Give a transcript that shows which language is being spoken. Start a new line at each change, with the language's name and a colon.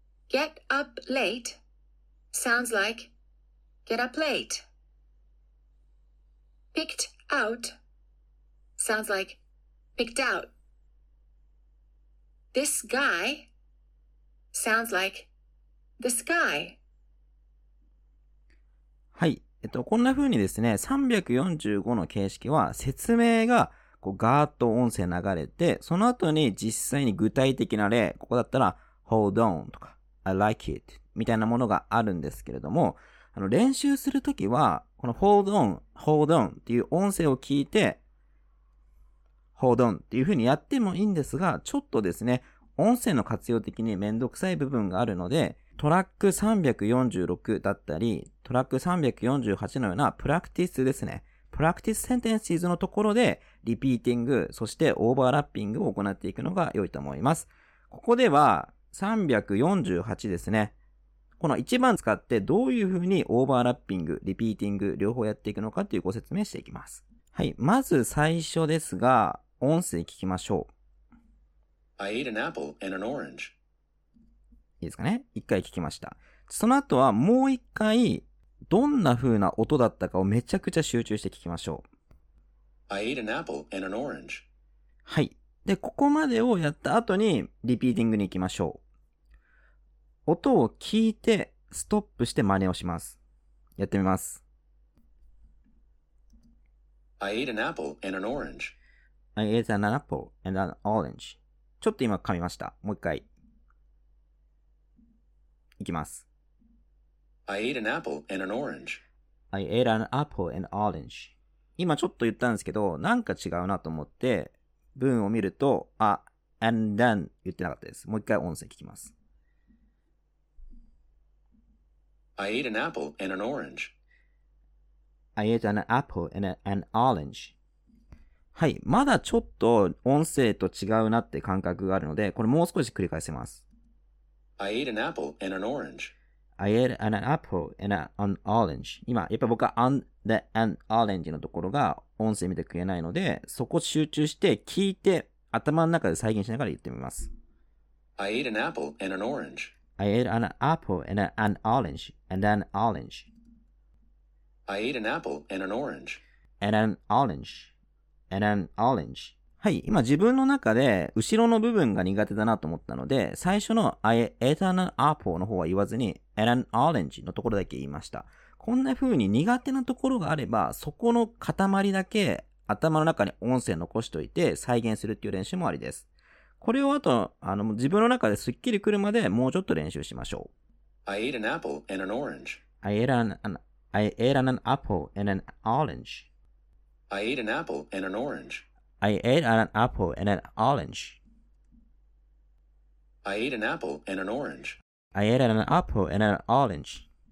English: Get up late sounds like get up late. Picked out sounds like picked out. This guy sounds like the sky.
Japanese: はい。こんな風にですね、345の形式は説明がこうガーッと音声流れて、その後に実際に具体的な例、ここだったら
English: hold on
Japanese: とか
English: I like it
Japanese: みたいなものがあるんですけれども、練習するときは、この
English: hold on, hold on
Japanese: っていう音声を聞いて、
English: hold on
Japanese: っていう風にやってもいいんですが、ちょっとですね、音声の活用的にめんどくさい部分があるので、トラック346だったり、トラック348のようなプラクティスですね。プラクティスセンテンシーズのところで、リピーティング、そしてオーバーラッピングを行っていくのが良いと思います。ここでは、348ですね。この1番使ってどういう風にオーバーラッピング、リピーティング、両方やっていくのかというご説明していきます。はい、まず最初ですが、音声聞きましょう。
English: I ate an apple and an orange.
Japanese: いいですかね。一回聞きました。その後はもう一回、どんな風な音だったかをめちゃくちゃ集中して聞きましょう。
English: I ate an apple and an orange.
Japanese: はい。で、ここまでをやった後に、リピーティングに行きましょう。音を聞いて、ストップして真似をします。やってみます。
English: I ate an apple and an orange. I ate an apple and an orange.
Japanese: ちょっと今噛みました。もう一回。いきます。
English: I ate an apple and an orange. I ate an apple and orange.
Japanese: 今ちょっと言ったんですけど、なんか違うなと思って、文を見ると、あ、
English: and then
Japanese: 言ってなかったです。もう一回音声聞きます。
English: I ate an apple and an orange. I ate an apple and an orange.
Japanese: はい、まだちょっと音声と違うなって感覚があるので、これもう少し繰り返せます。
English: I ate an apple and an orange. I ate an apple and an orange.
Japanese: 今、やっぱり僕は
English: on the an orange
Japanese: のところが音声見てくれないので、そこ集中して聞いて頭の中で再現しながら言ってみます。
English: I ate an apple and an orange. I ate an apple and an orange and an orange. I ate an apple and an orange. And an orange. And an orange.
Japanese: はい、今自分の中で後ろの部分が苦手だなと思ったので、最初の
English: I ate an apple
Japanese: の方は言わずに、
English: and an orange
Japanese: のところだけ言いました。こんな風に苦手なところがあれば、そこの塊だけ頭の中に音声残しておいて再現するっていう練習もありです。これをあと、自分の中ですっきりくるまでもうちょっと練習しましょう。
English: I ate an apple and an orange. I ate an apple and an orange. I ate an apple and an orange. I ate an apple and an orange. I ate an apple and an orange. I ate an apple and an orange.